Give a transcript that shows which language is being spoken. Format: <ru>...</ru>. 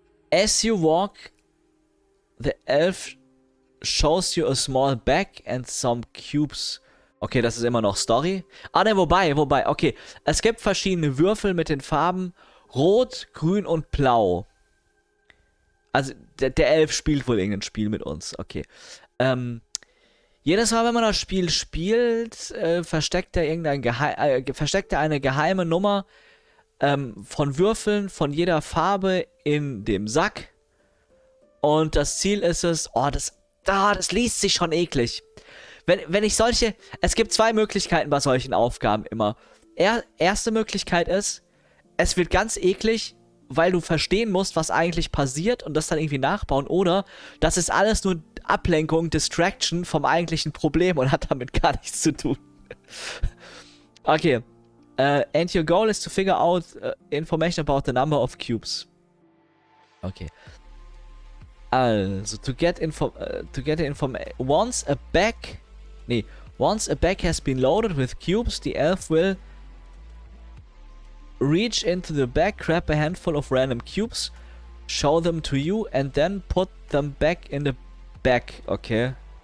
<en>As you walk, the elf shows you a small bag and some cubes.</en> <de>Okay, das ist immer noch Story. Ah, ne, wobei, okay. Es gibt verschiedene Würfel mit den Farben Rot, Grün und Blau. Also, der Elf spielt wohl irgendein Spiel mit uns, okay. Jedes Mal, wenn man das Spiel spielt, versteckt er eine geheime Nummer von Würfeln von jeder Farbe in dem Sack. Und das Ziel ist es, das liest sich schon eklig. Wenn ich solche... Es gibt zwei Möglichkeiten bei solchen Aufgaben immer. Erste Möglichkeit ist, es wird ganz eklig, weil du verstehen musst, was eigentlich passiert und das dann irgendwie nachbauen. Oder das ist alles nur Ablenkung, Distraction vom eigentlichen Problem und hat damit gar nichts zu tun. Okay.</de> <en>And your goal is to figure out information about the number of cubes. Okay. Also, once a bag has been loaded with cubes, the elf will reach into the bag, grab a handful of random cubes, show them to you, and then put them back in the bag, okay?</en>